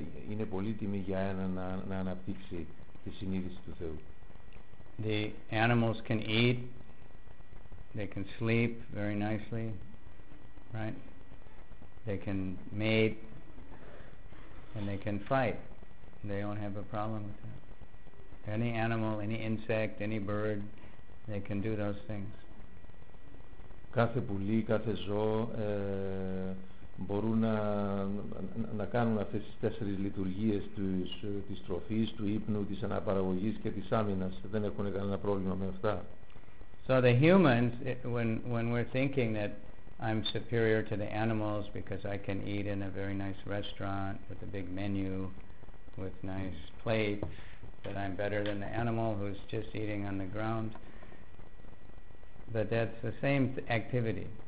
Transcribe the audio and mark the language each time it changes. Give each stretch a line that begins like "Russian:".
Greek: Είναι πολύτιμη για έναν να αναπτύξει τη συνείδηση του Θεού.
English: The animals can eat, they can sleep very nicely, right? They can mate and they can fight. They don't have a problem with that. Any animal, any insect, any bird, they can do those things.
Greek: Κάθε πουλί, κάθε ζώο μπορούν να κάνουν αυτές τις τέσσερις λειτουργίες της τροφής, του ύπνου, της αναπαραγωγής και της άμυνας. Δεν έχουν κανένα πρόβλημα με αυτά.
English: So the humans, when we're thinking that I'm superior to the animals because I can eat in a very nice restaurant with a big menu, with nice plates, that I'm better than the animal who's just eating on the ground, but that's the same activity.